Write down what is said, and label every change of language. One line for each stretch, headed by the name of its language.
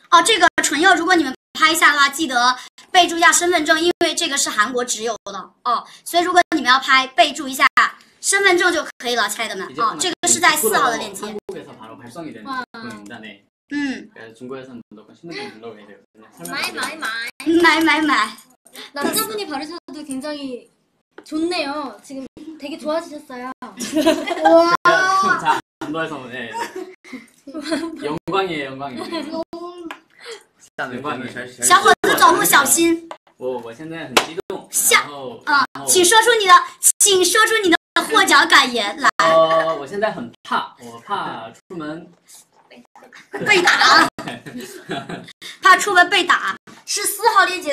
Chinese: 哦，这个唇釉如果你们拍一下的话，记得备注一下身份证，因为这个是韩国直邮的。哦，所以如果你们要拍，备注一下身份证就可以了，亲爱的们。哦，这个是在4号的链接。
Korean: 中国에서바로발송이되는 제품입니다 네。嗯。中国에서무조건신분증을눌러야돼요
Chinese: 买买买。买买买。
Korean: 남자분이 바르셔도 굉장히 좋네요. 지금 되게 좋아지셨어요. 와. 자, 안도해서 네. 영광이에요, 영광이에요. 자, 영광이.
Chinese: 小伙子转目小心。我现在很激动。下啊，请说出你的，请说出你的获奖感言来。我现在很怕，我怕出门被打。怕出门被打。是4号链接